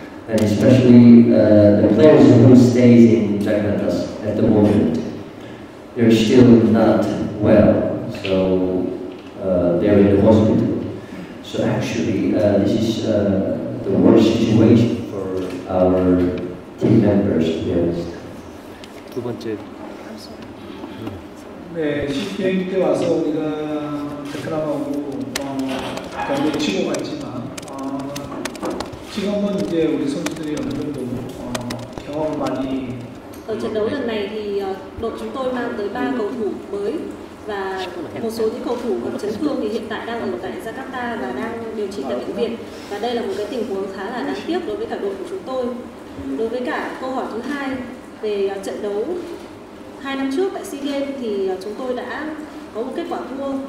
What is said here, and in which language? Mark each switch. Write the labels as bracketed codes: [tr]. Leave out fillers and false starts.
[en] And especially the players who stay in Jakarta at the moment, they're still not well, so they're in the hospital. So actually, this is the worst situation for our team members, to be honest. [ko] 두 번째. 네, 10개월 때 와서 우리가 베트남하고 경기를 치고 갔지만 지금은 이제 우리 선수들이 어느 정도 경험을 많이 [vi] ở trận đấu lần này thì đội chúng tôi mang tới 3 cầu thủ mới và một số những cầu thủ còn chấn thương thì hiện tại đang ở tại Jakarta và đang điều trị tại bệnh viện. Và đây là một cái tình huống khá là đáng tiếc đối với cả đội của chúng tôi. Đối với cả câu hỏi thứ hai về trận đấu 2 năm trước tại SEA Games thì chúng tôi đã có một kết quả thua.